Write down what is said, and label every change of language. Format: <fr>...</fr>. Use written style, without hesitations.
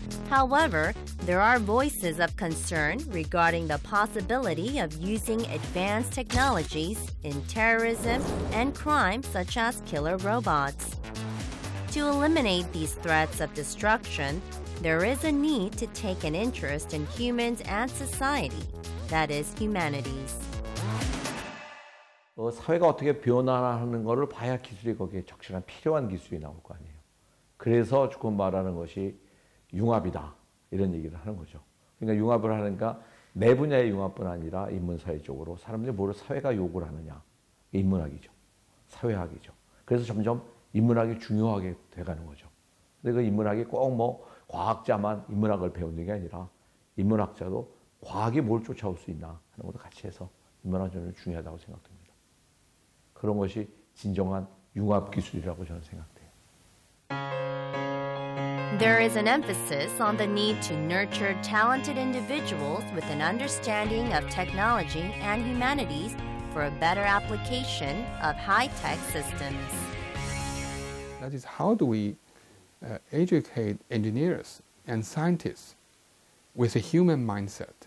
<en>However, there are voices of concern regarding the possibility of using advanced technologies in terrorism and crime, such as killer robots. To eliminate these threats of destruction, there is a need to take an interest in humans and society, that is, humanities.</en> <ko>사회가 어떻게 변화하는 것을 봐야 기술이 거기에 적절한 필요한 기술이 나올 거 아니에요. 그래서 조금 말하는 것이 융합이다 이런 얘기를 하는 거죠. 그러니까 융합을 하니까 내 분야의 융합뿐 아니라 인문사회적으로 사람들이 뭐를 사회가 요구를 하느냐, 인문학이죠, 사회학이죠. 그래서 점점 인문학이 중요하게 돼가는 거죠. 근데 그 인문학이 꼭 뭐 과학자만 인문학을 배우는 게 아니라 인문학자도 과학이 뭘 쫓아올 수 있나 하는 것도 같이 해서 인문학 전을 중요하다고 생각됩니다. 그런 것이 진정한 융합 기술이라고 저는 생각돼요.</ko> <en>There is an emphasis on the need to nurture talented individuals with an understanding of technology and humanities for a better application of high-tech systems. That is, how do we educate engineers and scientists with a human mindset?</en>